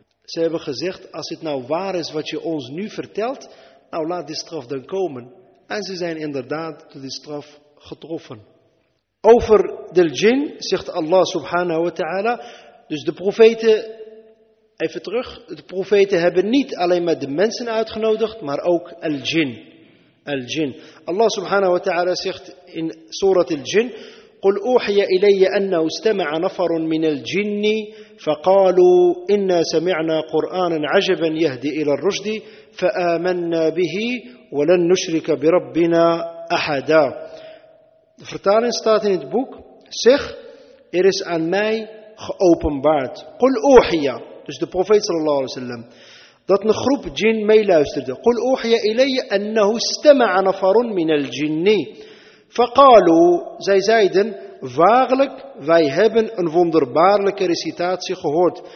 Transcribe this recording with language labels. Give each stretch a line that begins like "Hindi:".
Dutch: Ze hebben gezegd, als het nou waar is wat je ons nu vertelt, nou laat die straf dan komen. En ze zijn inderdaad door die straf getroffen. Over de jinn zegt Allah subhanahu wa ta'ala, dus de profeten, even terug, de profeten hebben niet alleen maar de mensen uitgenodigd, maar ook al-jinn. Allah subhanahu wa ta'ala zegt in surat al-jinn,
Arabic: قُلْ أُوحِيَ إِلَيَّ أَنَّهُ اسْتَمَعَ نَفَرٌ مِنَ الْجِنِّ فَقَالُوا إِنَّا سَمِعْنَا قُرْآنًا عَجَبًا يَهْدِي إِلَى الرُّشْدِ فَآمَنَّا بِهِ وَلَنْ نُشْرِكَ بِرَبِّنَا أَحَدًا.
Dutch: De vertaling staat in het boek, zeg, er is aan mij geopenbaard.
Arabic: قُلْ أُوحِيَ,
Dutch: dus de profeet sallallahu alaihi wasallam, dat een groep jin meeluisterde.
Arabic: قُلْ أُوحِيَ إِلَيَّ أَنَّهُ اسْتَمَعَ نَفَرٌ مِنَ الْجِنِّ.
Dutch: Faqalu, zij zeiden, waarlijk, wij hebben een wonderbaarlijke recitatie gehoord.